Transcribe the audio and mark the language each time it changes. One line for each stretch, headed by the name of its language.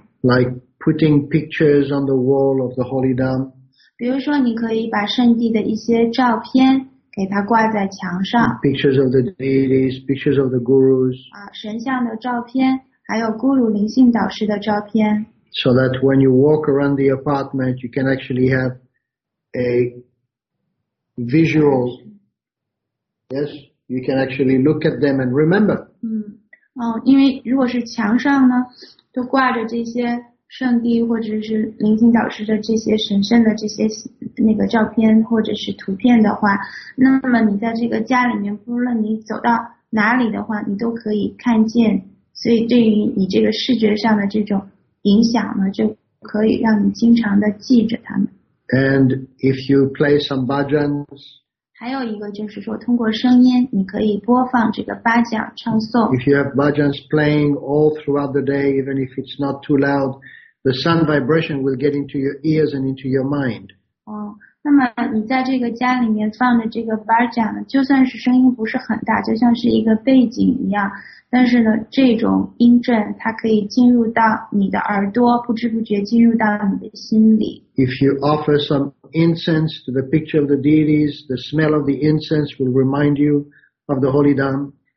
English: Like putting pictures on the wall of the holy dam.
Chinese: 比如说你可以把圣地的一些照片给它挂在墙上。
English: Pictures of the deities, pictures of the gurus.
Chinese: 神像的照片，还有咕噜灵性导师的照片。
English: So that when you walk around the apartment, you can actually have a visual. Yes, you can actually look at them and remember.
Chinese: 因为如果是墙上呢，都挂着这些圣地或者是灵性导师的这些神圣的这些那个照片或者是图片的话，那么你在这个家里面不论你走到哪里的话你都可以看见，所以对于你这个视觉上的这种影响呢就可以让你经常的记着它们。
English: And if you play some bhajans,
Chinese: 还有一个就是说通过声音你可以播放这个巴掌唱诵。
English: If you have bhajans playing all throughout the day, even if it's not too loud, the sun vibration will get into your ears and into your mind.
Chinese: 那么你在这个家里面放的这个巴掌呢，就算是声音不是很大，就像是一个背景一样，但是呢，这种音震它可以进入到你的耳朵，不知不觉进入到你的心里。
English: If you offer some incense to the picture of the deities, the smell of the incense will remind you of the holy dam.